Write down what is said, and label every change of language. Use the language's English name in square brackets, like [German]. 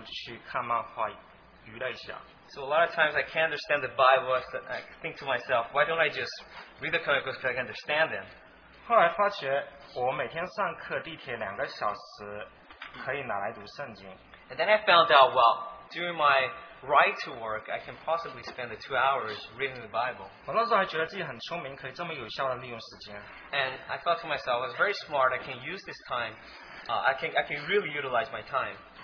[Chinese] 每天圣经也不读，与其读那些读也不懂的，还不如去看漫画娱乐一下。 [English] So a lot of times I can't understand the Bible, so I think to myself, why don't I just read the comic books so I can understand them? [Chinese] 后来发觉，我每天上课地铁2个小时，可以拿来读圣经。 [English] And then I found out, well, during my ride to work, I can possibly spend the 2 hours reading the Bible. [Chinese] 我那时候还觉得自己很聪明，可以这么有效的利用时间。 [English] And I thought to myself, I was very smart. I can use this time. I can really utilize my time.